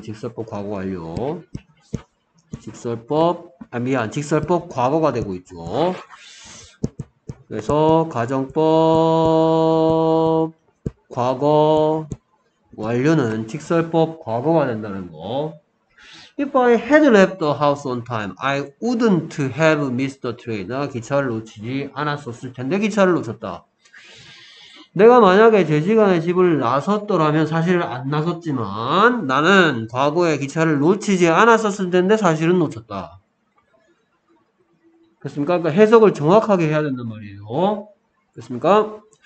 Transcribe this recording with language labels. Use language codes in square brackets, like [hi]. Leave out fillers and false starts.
[ko] 직설법 과거 완료. 직설법, 아 미안, 직설법 과거가 되고 있죠. 그래서 가정법 과거 완료는 직설법 과거가 된다는 거. [en] If I had left the house on time, I wouldn't have missed the train. [ko] 내가 기차를 놓치지 않았었을 텐데 기차를 놓쳤다. 내가 만약에 제 시간에 집을 나섰더라면, 사실 안 나섰지만 나는 과거에 기차를 놓치지 않았었을 텐데 사실은 놓쳤다. 그렇습니까? 그러니까 해석을 정확하게 해야 된단 말이에요. 그렇습니까?